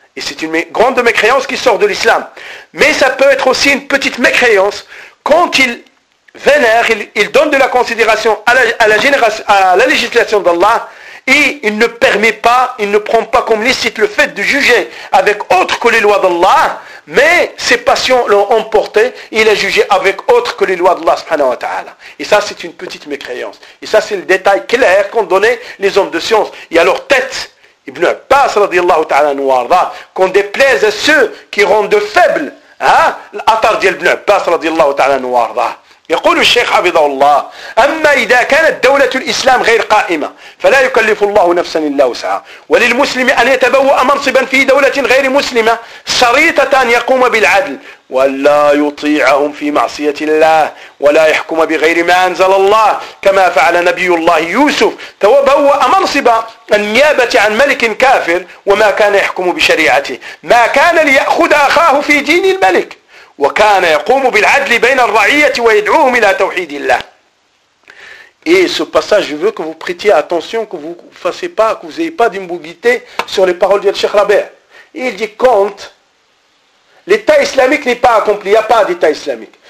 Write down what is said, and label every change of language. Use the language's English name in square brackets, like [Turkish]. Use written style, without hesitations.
[French] Et c'est une grande mécréance qui sort de l'islam. Mais ça peut être aussi une petite mécréance quand il vénère, il donne de la considération à la législation d'Allah, et il ne permet pas, il ne prend pas comme licite le fait de juger avec autre que les lois d'Allah, mais ses passions l'ont emporté, il a jugé avec autre que les lois d'Allah subhanahu wa ta'ala. Et ça, c'est une petite mécréance. Et ça, c'est le détail clair qu'ont donné les hommes de science. Et à leur tête, Ibn Abbas radiallahu ta'ala anhu arda, qu'on déplaise à ceux qui rendent faibles, hein, l'attar d'Ibn Abbas radiallahu ta'ala anhu arda. [Arabic] يقول الشيخ حفظه الله أما إذا كانت دولة الإسلام غير قائمة فلا يكلف الله نفسا إلا وسعها وللمسلم أن يتبوأ منصبا في دولة غير مسلمة شريطة أن يقوم بالعدل ولا يطيعهم في معصية الله ولا يحكم بغير ما أنزل الله كما فعل نبي الله يوسف تبوأ منصب النيابة عن ملك كافر وما كان يحكم بشريعته ما كان ليأخذ أخاه في دين الملك وكان يقوم بالعدل بين الرعية ويدعوهم إلى توحيد الله. [French] Et ce passage, je veux que vous prêtiez attention, que vous fassiez pas, que vous ayez pas d'imbouguité sur les paroles du Cheikh Rabea. Il dit quand l'État islamique n'est pas accompli, il n'y a pas d'État islamique.